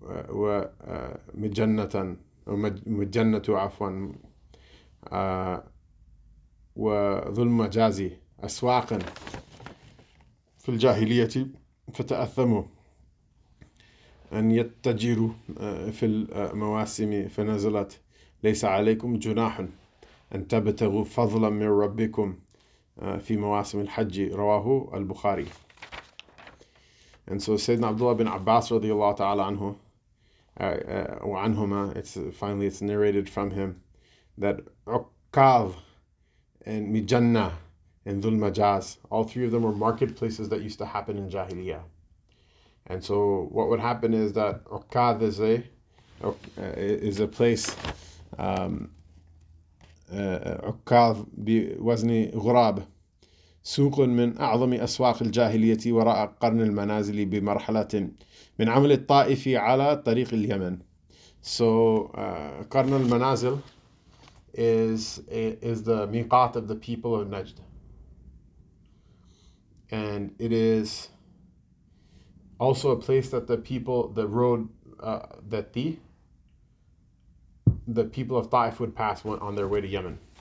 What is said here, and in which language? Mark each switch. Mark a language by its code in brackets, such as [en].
[ar] ومجنة ومجنة عفوا وظلم جازي أسواقا في الجاهلية فتأثموا أن يتجروا في المواسم فنزلت ليس عليكم جناح أن تبتغوا فضلا من ربكم في مواسم الحج رواه البخاري. [en] And so Sayyidina Abdullah bin Abbas radiallahu ta'ala anhu, wa anhuma, it's narrated from him that Uqqav and Mijanna and Dhul Majaz, all three of them were marketplaces that used to happen in Jahiliyyah. And so what would happen is that Uqqav is a place, Uqqav bi wazni ghurab, [ar] سوق من أعظم أسواق الجاهلية وراء قرن المنازل بمرحلة من عمل الطائف على طريق اليمن. [en] So قرن المنازل is the miqat of the people of Najd, and it is also a place that the people of Taif would pass on their way to Yemen.